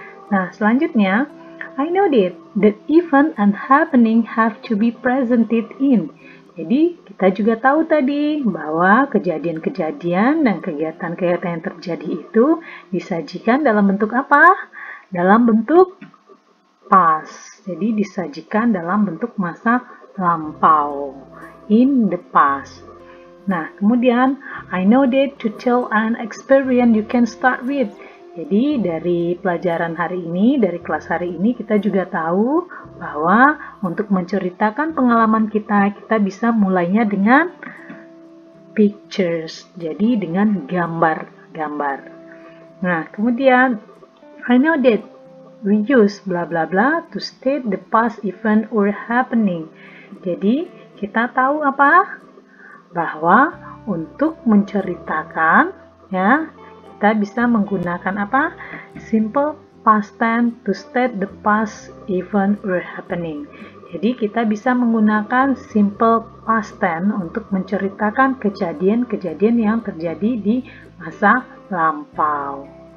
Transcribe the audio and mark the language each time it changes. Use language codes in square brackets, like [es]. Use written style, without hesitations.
[id] Nah, selanjutnya, [en] I know that the event and happening have to be presented in. [id] Jadi, kita juga tahu tadi bahwa kejadian-kejadian dan kegiatan-kegiatan yang terjadi itu disajikan dalam bentuk apa? Dalam bentuk past. Jadi, disajikan dalam bentuk masa lampau. [en] In the past. [id] Nah, kemudian, [en] I know that to tell an experience you can start with. [id] Jadi, dari pelajaran hari ini, dari kelas hari ini, kita juga tahu bahwa untuk menceritakan pengalaman kita, kita bisa mulainya dengan pictures. Jadi, dengan gambar-gambar. Nah, kemudian, [en] I know that we use blah blah blah to state the past event or happening. [id] Jadi, kita tahu apa? Bahwa untuk menceritakan, ya, kita bisa menggunakan apa? [en] Simple past tense to state the past event or happening. [id] Jadi kita bisa menggunakan simple past tense untuk menceritakan kejadian-kejadian yang terjadi di masa lampau.